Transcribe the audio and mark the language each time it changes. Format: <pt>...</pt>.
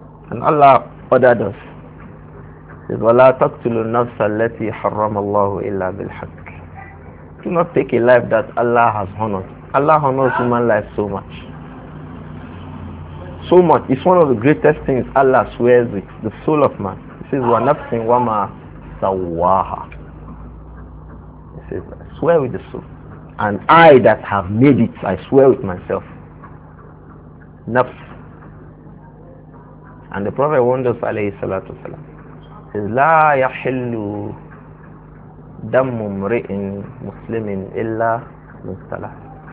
<en>And Allah ordered us.</en> <ar>وَلَا تَقْتُلُ النَّفْسَ الَّتِي حَرَّمَ اللَّهُ إِلَّا بِالْحَقِّ.</ar> <en>Do not take a life that Allah has honored. Allah honors human life so much. So much. It's one of the greatest things Allah swears with, the soul of man. He says,</en> <ar>وَنَفْسٍ وَمَا سَوَّاهَا.</ar> <en>He says, I swear with the soul. And I that have made it, I swear with myself. Nafs. And the Prophet warned us,</en> <ar>alayhi salatu wasalam,</ar> <en>says,</en> <ar>لا يحل دم امرئ مسلم إلا من ثلاث.</ar>